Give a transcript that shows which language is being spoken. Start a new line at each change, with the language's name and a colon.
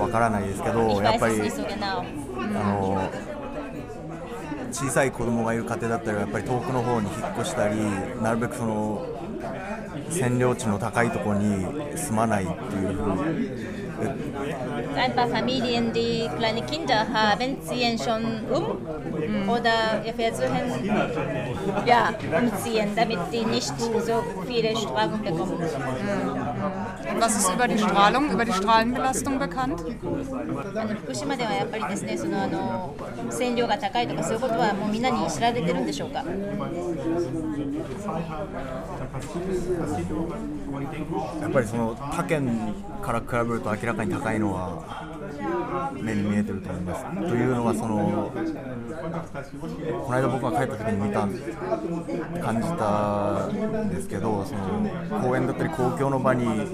Japanese: あの、なんかその安全にするためのなんかそういうあの対応策っていうのあるんでしょうか？具体的な対応策っていうのはわからないですけど、やっぱりあの。小さい子供がいる家庭だったらやっぱり遠くの方に引っ越したりなるべくその占領地の高いところに住まないっていうふうに。
German: Ein paar Familien, die kleine Kinder haben, ziehen schon oder versuchen, ja, umziehen, damit die nicht so viele Strahlung bekommen. Und was ist über die Strahlung, über die Strahlenbelastung bekannt? In Fukushima ist es ja, die Strahlung ist hoch oder so, das ist ja in allen Städten bekannt. Das passiert
Japanese: やっぱりその他県から比べると明らかに高いのは目に見えてると思いますというのはそのこの間僕が帰った時に見た感じたんですけどその公園だったり公共の場に